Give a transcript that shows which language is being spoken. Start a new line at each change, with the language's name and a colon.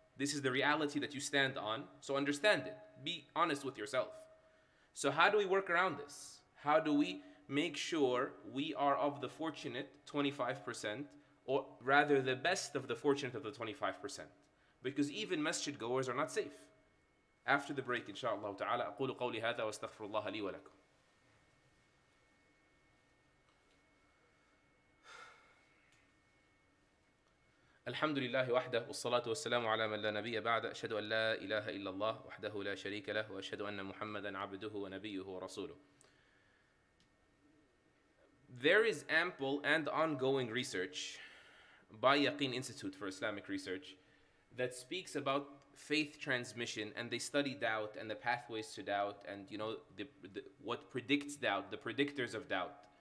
English: This is the reality that you stand on. So understand it. Be honest with yourself. So how do we work around this? How do we make sure we are of the fortunate 25%, or rather the best of the fortunate of the 25%? Because even masjid goers are not safe. After the break,
Arabic: inshallah ta'ala, أقول قولي هذا واستغفر الله لي ولكم. الحمد لله وحده والصلاة والسلام على من لا نبي بعد أشهد أن لا إله إلا الله وحده لا شريك له وأشهد أن محمدا عبده ونبيه ورسوله.
English: There is ample and ongoing research by Yaqeen Institute for Islamic Research that speaks about faith transmission, and they study doubt and the pathways to doubt, and you know what predicts doubt, the predictors of doubt.